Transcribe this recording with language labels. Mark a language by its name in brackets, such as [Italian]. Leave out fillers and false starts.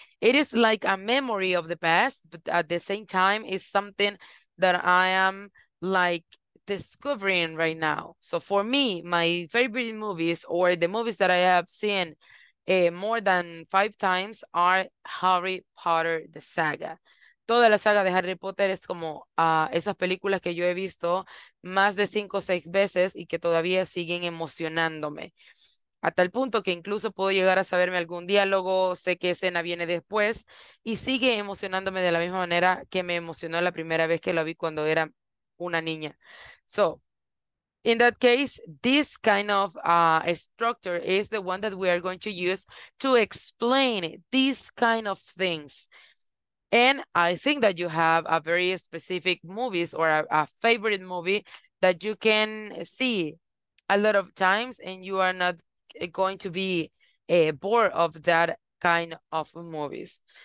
[English] It is like a memory of the past, but at the same time, it's something that I am like discovering right now. So for me, my favorite movies, or the movies that I have seen more than 5 times, are Harry Potter, the saga. [Spanish] Toda la saga de Harry Potter es como esas películas que yo he visto más de 5 o 6 veces y que todavía siguen emocionándome. A tal punto que incluso puedo llegar a saberme algún diálogo, sé qué escena viene después y sigue emocionándome de la misma manera que me emocionó la primera vez que lo vi cuando era una niña. [English] So, in that case, this kind of structure is the one that we are going to use to explain these kind of things. And I think that you have a very specific movies or a favorite movie that you can see a lot of times, and you are not going to be bored of that kind of movies.